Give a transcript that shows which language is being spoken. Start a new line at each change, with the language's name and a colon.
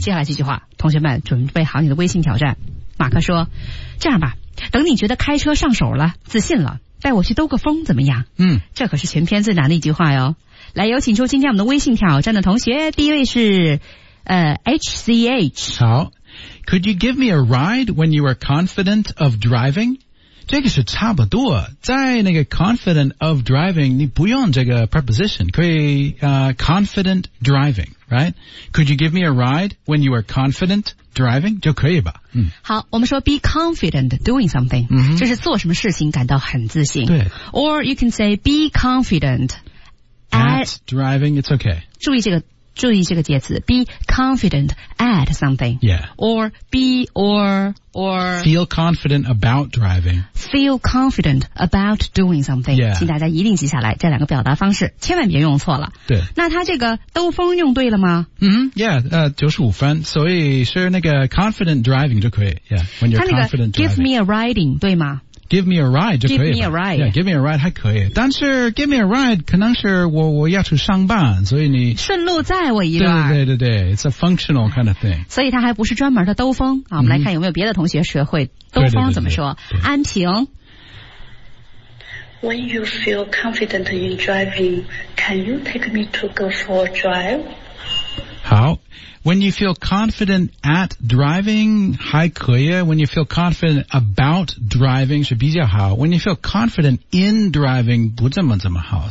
Chinese: 接下来这句话，同学们准备好你的微信挑战。马克说：“这样吧，等你觉得开车上手了，自信了，带我去兜个风，怎么样？” 嗯。这可是全篇最难的一句话哟。来，有请出今天我们的微信挑战的同学，第一位是HCH。
English: 好 ，Could you give me a ride when you are confident of driving?
Chinese: 这个是差不多，在那个
English: confident of driving,
Chinese: 你不用这个 preposition, 可以、
English: confident driving, right? Could you give me a ride when you are confident driving?
Chinese: 就可以吧。嗯、
English: 好，
Chinese: 我们说
English: be confident doing something,、 mm-hmm.
Chinese: 就是做什么事情感到很自信。对。
English: Or you can say be confident at driving, it's okay.
Chinese: 注意这个介词
English: be confident at something. Yeah. Or feel confident about driving. Feel confident about doing something. Yeah.
Chinese: 请大家一定记下来这两个表达方式，千万别用错了。对。那他这个兜风用对了吗？
English: 嗯、mm-hmm. ，Yeah， 95分。
Chinese: 所以是那个
English: confident driving
Chinese: 就可以。
English: Yeah. When you're confident driving. Give me a riding，
Chinese: 对吗？
English: Give me a ride
Chinese: 就可以了。
English: Give me a ride. Yeah, give me a ride
Chinese: 还可以。但是
English: give me a ride
Chinese: 可能是我要去上班，所以你顺路载我一段。
English: 对对对对 ，It's a functional kind of thing.
Chinese: 所以它还不是专门的兜风、mm-hmm. 啊。我们来看有没有别的同学学会兜风怎么说？安平。
English: When you feel confident in driving, can you take me to go for a drive? 好。When you feel confident at driving,
Chinese: 还可以。
English: When you feel confident about driving,
Chinese: 是比较好。
English: When you feel confident in driving,
Chinese: 不怎么好。